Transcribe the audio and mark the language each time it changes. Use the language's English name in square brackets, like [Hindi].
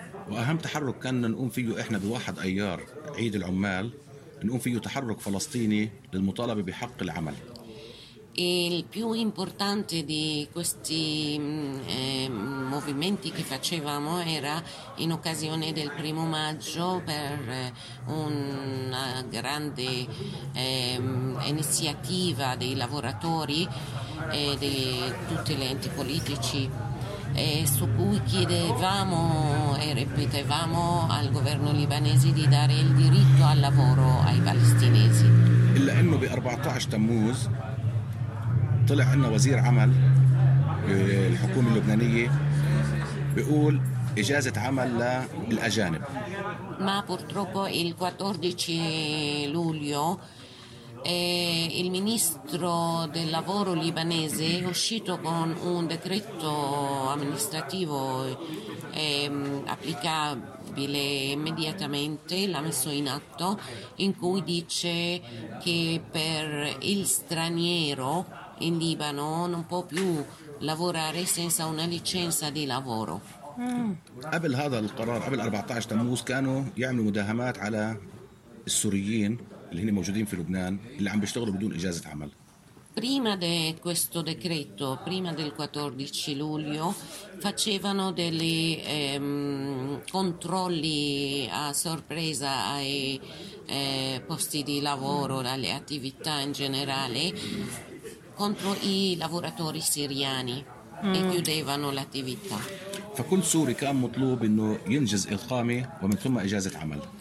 [Arabic] وأهم تحرك كان نقوم فيه إحنا بواحد أيار عيد العمال نقوم فيه تحرك فلسطيني للمطالبة بحق العمل. [Italian] Il più importante di questi movimenti che facevamo era in occasione del primo maggio, per una grande iniziativa dei lavoratori e di tutti gli enti politici, e su cui chiedevamo e ripetevamo al governo libanese di dare il diritto al lavoro ai palestinesi. [Arabic] Il 14 Tammuz طلع عنا وزير عمل الحكومة اللبنانية بيقول إجازة عمل للأجانب. [Italian] ما purtroppo il 14 luglio il ministro del lavoro libanese è uscito con un decreto amministrativo applicabile immediatamente, l'ha messo in atto, in cui dice che per il straniero in Libano non può più lavorare senza una licenza di lavoro. [Arabic] قبل هذا القرار قبل 14 تموز كانوا يعملوا مداهمات على السوريين اللي هني موجودين في لبنان اللي عم بيشتغلوا بدون إجازة عمل. [Italian] Prima di questo decreto, prima del 14 luglio, facevano degli controlli a sorpresa ai posti di lavoro, alle attività in generale, contro i lavoratori siriani e chiudevano l'attività. [Arabic] فكل سوري كان مطلوب انه ينجز اقامه ومن ثم اجازه عمل.